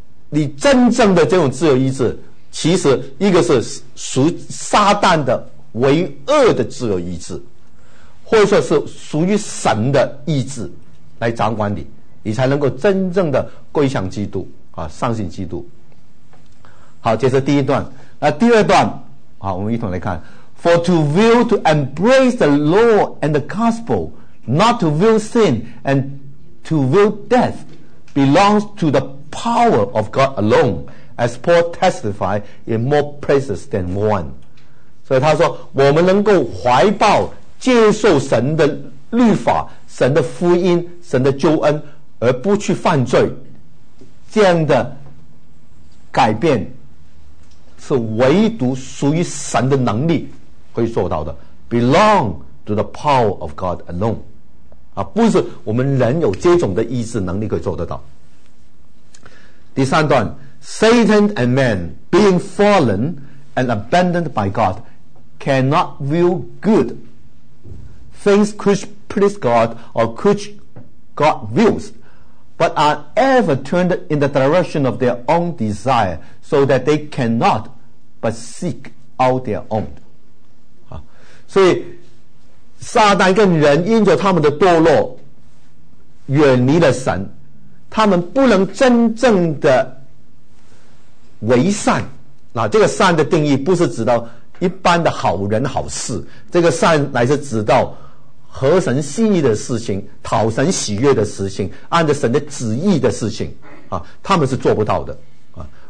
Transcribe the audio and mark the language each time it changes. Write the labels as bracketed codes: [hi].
[zh] 你真正的这种自由意志，其实一个是属撒旦的为恶的自由意志，或者说是属于神的意志来掌管你，你才能够真正的归向基督啊，相信基督。好，这是第一段。那第二段，好，我们一同来看。 [en] For to will to embrace the law and the gospel, not to will sin and to will death, belongs to the power of God alone, as Paul testified in more places than one. [zh] 所以他说，我们能够怀抱接受神的律法、神的福音、神的救恩，而不去犯罪，这样的改变是唯独属于神的能力可以做到的。 [en] Belong to the power of God alone， [zh] 啊，不是我们人有这种的意志能力可以做得到。第三段 [en] ，Satan and man being fallen and abandoned by God cannot will good。 Things which please God or which God wills, but are ever turned in the direction of their own desire, so that they cannot but seek out their own. [zh] 所以撒旦跟人因着他们的堕落远离了神，他们不能真正的为善。那这个善的定义不是指到一般的好人好事，这个善乃是指到合神心意的事情，讨神喜悦的事情，按着神的旨意的事情啊，他们是做不到的啊。